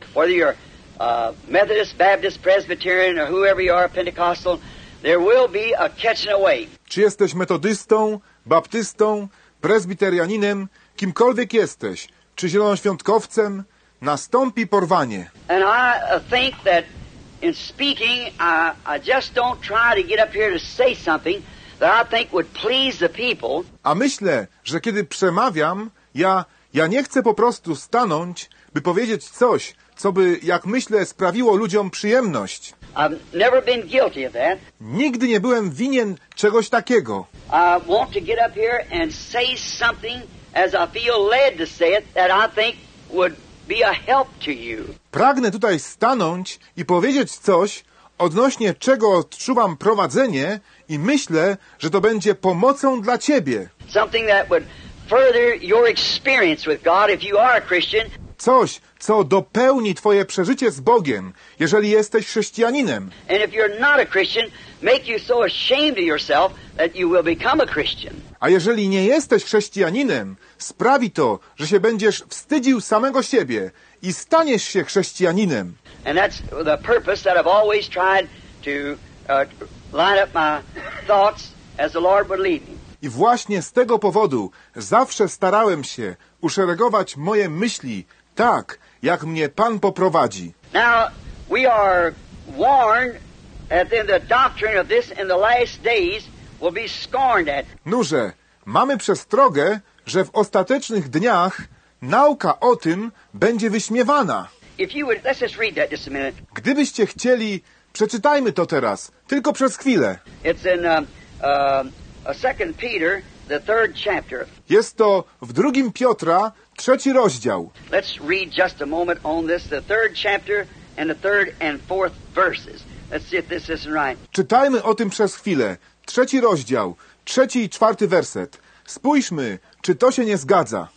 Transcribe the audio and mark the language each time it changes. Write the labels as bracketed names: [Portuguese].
[English] Whether you're Methodist, Baptist, Presbyterian, or whoever you are, Pentecostal, there will be a catching away. [Polish] Czy jesteś metodystą, baptystą, prezbiterianinem, kimkolwiek jesteś, czy zielonoświątkowcem, nastąpi porwanie. [English] And I think that in speaking, I just don't try to get up here to say something that I think would please the people. [Polish] A myślę, że kiedy przemawiam, ja nie chcę po prostu stanąć, by powiedzieć coś, co by, jak myślę, sprawiło ludziom przyjemność. [English] I've never been guilty of that. [Polish] Nigdy nie byłem winien czegoś takiego. [English] I want to get up here and say something as I feel led to say it that I think would be a help to you. [Polish] Pragnę tutaj stanąć i powiedzieć coś, odnośnie czego odczuwam prowadzenie i myślę, że to będzie pomocą dla ciebie. [English] Something that would further your experience with God if you are a Christian. [Polish] Coś, co dopełni twoje przeżycie z Bogiem, jeżeli jesteś chrześcijaninem. [English] And if you're not a Christian, make you so ashamed of yourself that you will become a Christian. [Polish] A jeżeli nie jesteś chrześcijaninem, sprawi to, że się będziesz wstydził samego siebie i staniesz się chrześcijaninem. [English] And that's the purpose that I've always tried to line up my thoughts as the Lord would lead me. [Polish] I właśnie z tego powodu zawsze starałem się uszeregować moje myśli tak, jak mnie Pan poprowadzi. [English] Now we are warned that then the doctrine of this in the last days will be scorned at. [Polish] Noże, mamy przestrogę, że w ostatecznych dniach nauka o tym będzie wyśmiewana. [English] If you would, let's just read that just a minute. [Polish] Gdybyście chcieli, przeczytajmy to teraz, tylko przez chwilę. [English] It's in Second Peter, the third chapter. [Polish] Jest to w drugim Piotra, trzeci rozdział. [English] Let's read just a moment on this, the third chapter and the third and fourth verses. Let's see if this isn't right. [Polish] Czytajmy o tym przez chwilę. Trzeci rozdział, trzeci i czwarty werset. Spójrzmy, czy to się nie zgadza.